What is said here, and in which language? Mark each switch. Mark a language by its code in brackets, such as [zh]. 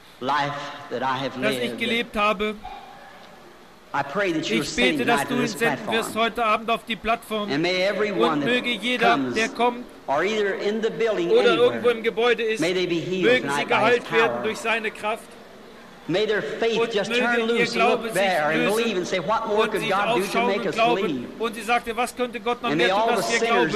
[de] dass ich gelebt habe. Ich bete, dass du ihn senden wirst heute Abend auf die Plattform, und möge jeder, der kommt oder irgendwo im Gebäude ist, mögen sie geheilt werden durch seine Kraft. [en] May their faith [de] und [en] just turn loose, look there, and believe, and say, what more could God do to make us believe? [de] Und sie sagte, was könnte Gott noch mehr tun, dass wir glauben?